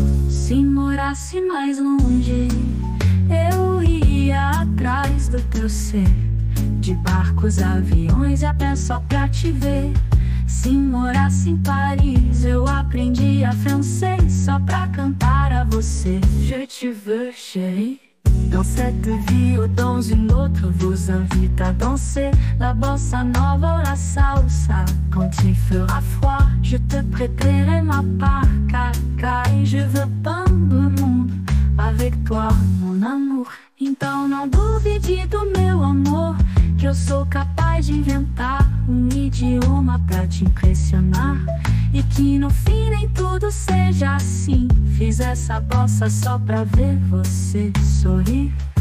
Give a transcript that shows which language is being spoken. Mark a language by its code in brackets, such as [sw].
[pt] Se morasse mais longe, eu ia atrás do teu ser. De barcos, aviões e até só pra te ver. Se morasse em Paris, eu aprendi a francês só pra cantar a você. [fr] Je te veux, chérie. Dans cette vie ou dans une autre, vous invite à danser la bossa nova ou la salsa. Quand il fera froid, je te prêterai ma parka. Car je veux peindre le monde avec toi, mon amour. [pt] Então não duvide do meu amor, que eu sou capaz de inventar um idioma pra te impressionar. E que no fim nem tudo seja assim. Fiz essa bossa só pra ver você sorrir.